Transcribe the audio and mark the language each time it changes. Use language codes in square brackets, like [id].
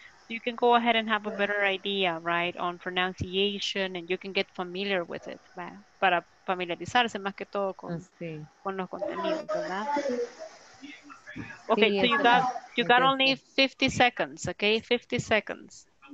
[en] you can go ahead and have a better idea, right, on pronunciation, and you can get familiar with it, ¿verdad? [es] Para familiarizarse más que todo con los contenidos, ¿verdad? [en] Okay, sí, so you got only 50 seconds, okay? 50 seconds.